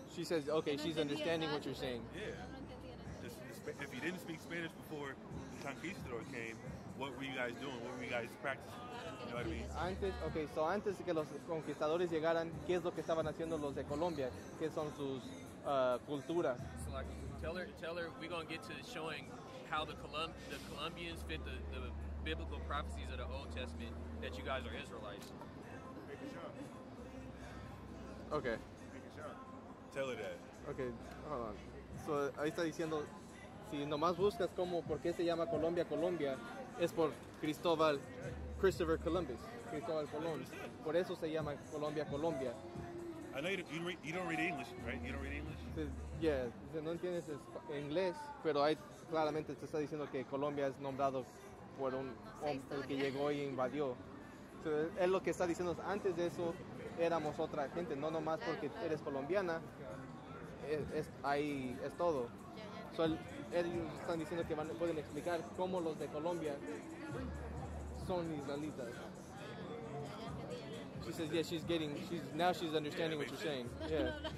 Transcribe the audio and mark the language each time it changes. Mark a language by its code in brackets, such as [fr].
[en] She says, okay, she's understanding what you're saying. Yeah. If you didn't speak Spanish before the conquistador came, what were you guys doing? What were you guys practicing? You know what I mean? [es] Antes, okay, so antes que los conquistadores llegaran, ¿qué es lo que estaban haciendo los de Colombia? ¿Qué son sus culturas? [en] So like, tell her we're going to get to showing how the Colombians fit the biblical prophecies of the Old Testament that you guys are Israelites. Make a show. Okay. Make a show. Tell her that. Okay, hold on. [es] So ahí está diciendo, si nomás buscas cómo, por qué se llama Colombia, Colombia, es por Christopher Columbus, Cristóbal Colón. Por eso se llama Colombia, Colombia. [en] I know you don't read English, right? You don't read English? [es] Yeah, no entiendes inglés, pero ahí claramente te está diciendo que Colombia es nombrado por un hombre que llegó y invadió. Entonces, él lo que está diciendo es, antes de eso éramos otra gente, no nomás porque eres colombiana, es ahí es todo. So, ellos están diciendo que pueden explicar cómo los de Colombia son israelitas. [en] She says, yeah, she's understanding what you're saying. Yeah.